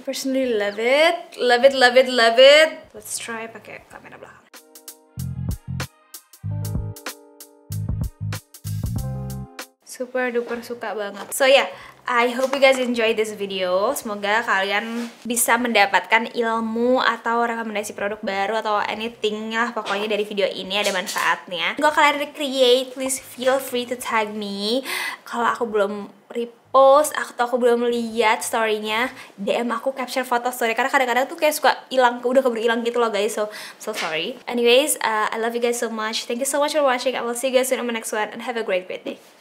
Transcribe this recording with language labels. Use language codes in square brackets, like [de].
[en] Personally love it, love it, love it, love it. Let's try [id] pakai kamera belakang. [en] Super duper [id] suka banget. [en] So yeah. I hope you guys enjoy this video. [id] Semoga kalian bisa mendapatkan ilmu atau rekomendasi produk baru atau anything lah pokoknya dari video ini ada manfaatnya. Kalau kalian [en] recreate, please feel free to tag me. [id] Kalau aku belum repost atau aku belum lihat story-nya, DM aku capture foto story. Karena kadang-kadang tuh kayak suka hilang, udah keburu hilang gitu loh guys. [en] So sorry. Anyways, I love you guys so much. Thank you so much for watching. I will see you guys soon on my next one and have a great, great day.